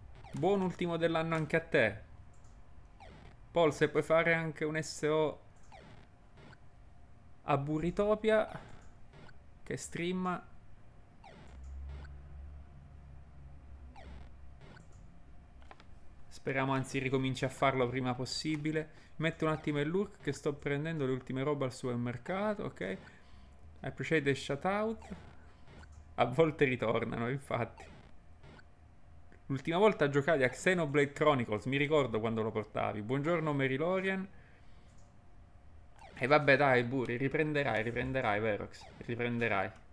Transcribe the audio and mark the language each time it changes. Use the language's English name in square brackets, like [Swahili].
[Italian] Buon ultimo dell'anno anche a te. Paul, se puoi fare anche un SO a Burritopia, che stream. Speriamo anzi ricominci a farlo prima possibile. Metto un attimo il look che sto prendendo le ultime robe al supermercato, ok? [English] I appreciate the shoutout. [Italian] A volte ritornano, infatti. L'ultima volta giocavi a Xenoblade Chronicles, mi ricordo quando lo portavi. Buongiorno Mary Lorian. E vabbè dai Buri, riprenderai Verox, riprenderai.